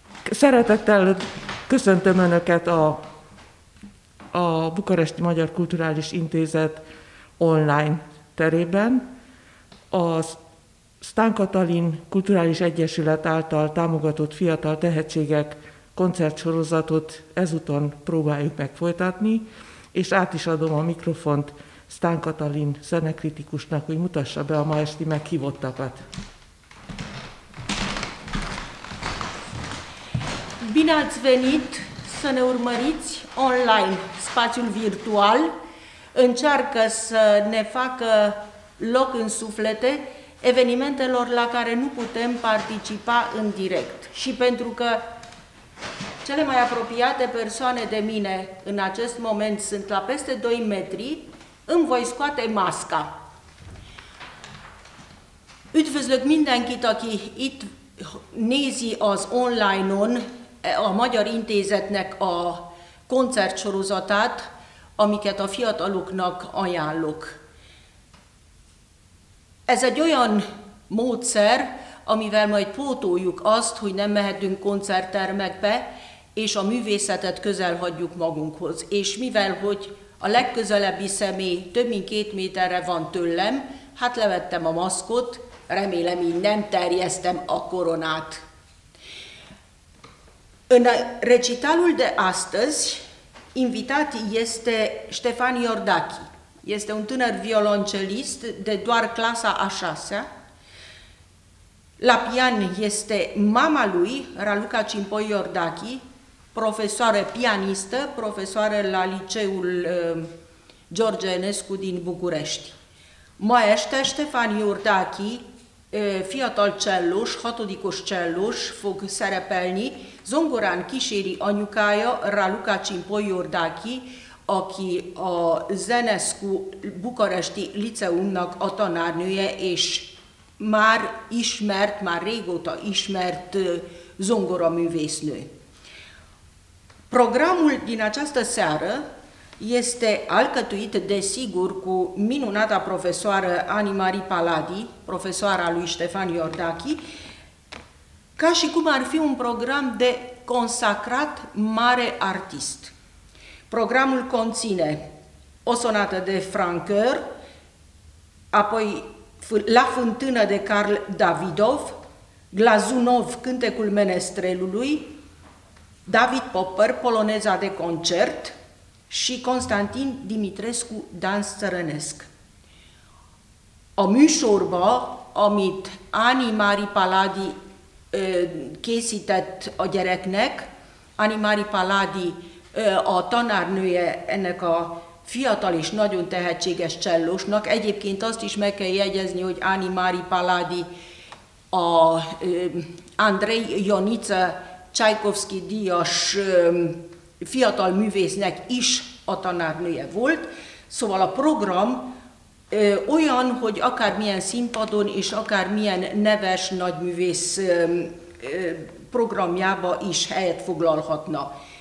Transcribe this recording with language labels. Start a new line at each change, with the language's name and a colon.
Romanian: Seara tătălă, cât se întâmplă cât o
Hungarian: București Magyar Kulturális Intézet online terében, a Stan Katalin Kulturális Egyesület által támogatott fiatal tehetségek koncertsorozatot ezúton próbáljuk megfolytatni, és át is adom a mikrofont Stan Katalin zenekritikusnak, hogy mutassa be a ma esti meghívottakat.
Romanian: Bine ați venit să ne urmăriți online, spațiul virtual. Încearcă să ne facă loc în suflete evenimentelor la care nu putem participa în direct. Și pentru că cele mai apropiate persoane de mine în acest moment sunt la peste 2 metri, îmi voi scoate masca.
Hungarian: Üdvözlök mindenkit, aki itt nézi az online-on a Magyar Intézetnek a koncertsorozatát, amiket a fiataloknak ajánlok. Ez egy olyan módszer, amivel majd pótoljuk azt, hogy nem mehetünk koncerttermekbe, és a művészetet közel hagyjuk magunkhoz. És mivel, hogy a legközelebbi személy több mint 2 méterre van tőlem, hát levettem a maszkot, remélem így nem terjesztem a koronát.
Romanian: În recitalul de astăzi, invitat este Ștefan Iordachi. Este un tânăr violoncelist de doar clasa a 6-a. La pian este mama lui, Raluca Cimpoi Iordachi, profesoară pianistă, profesoară la liceul George Enescu din București. Mai este
Hungarian: Ștefan Iordachi, fiatal csellós, hatodikos csellós fog szerepelni, zongorán kíséri anyukája, Raluca Cimpoi Iordachi, aki a Zenescu bukaresti liceumnak a tanárnője, és már ismert, már régóta ismert zongoraművésznő.
Romanian: Programul din această seară este alcătuit, desigur, cu minunata profesoară Anne-Marie Paladi, profesoara lui Ștefan Iordachi, ca și cum ar fi un program de consacrat mare artist. Programul conține o sonată de Francoeur, apoi La fântână de Carl Davidov, Glazunov, cântecul menestrelului, David Popper, poloneza de concert, și Constantin Dimitrescu, dans țărănesc.
Hungarian: A műsorba, amit Anne-Marie Paladi készített a gyereknek, Anne-Marie Paladi a tanárnője ennek a fiatal és nagyon tehetséges csellósnak. Egyébként azt is meg kell jegyezni, hogy Anne-Marie Paladi a Andrei Ionica Csajkovszki díjas fiatal művésznek is a tanárnője volt, szóval a program olyan, hogy akármilyen színpadon és akármilyen neves nagyművész programjába is helyet foglalhatna.